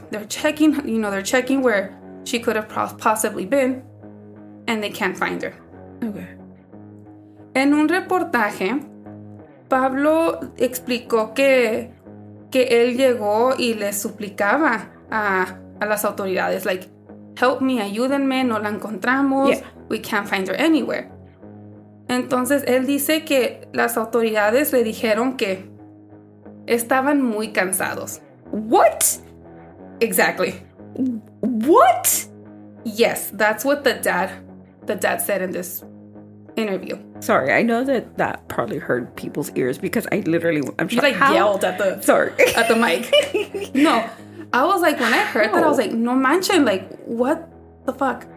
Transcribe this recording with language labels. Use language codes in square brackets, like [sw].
[en] They're checking where she could have possibly been. And they can't find her. Okay. [es] En un reportaje, Pablo explicó que él llegó y le suplicaba a las autoridades. [en] Like, help me, [es] ayúdenme, no la encontramos, [en] yeah. we can't find her anywhere. [es] Entonces, él dice que las autoridades le dijeron que estaban muy cansados. [en] What? Exactly. What? Yes, that's what the dad said in this interview. Sorry, I know that probably hurt people's ears because I literally, I'm trying to... You, like, yelled at the... Sorry. At the mic. No. I was like, when I heard that, I was like, [es] no manches, [en] like, what the fuck?